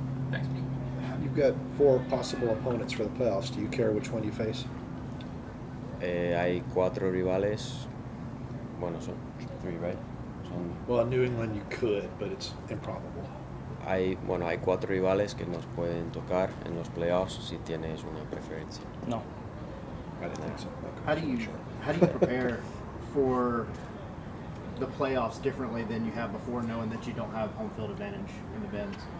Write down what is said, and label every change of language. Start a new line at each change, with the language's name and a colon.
English: Thanks. You've got four possible opponents for the playoffs. Do you care which one you face?
Spanish: Hay cuatro rivales. Bueno, son
English: three, right? Well, New England you could, but it's improbable.
Spanish: Hay cuatro rivales que nos pueden tocar en los playoffs si tienes una preferencia. No.
English: I didn't think so. Okay. How do you prepare for the playoffs differently than you have before, knowing that you don't have home field advantage in the bends?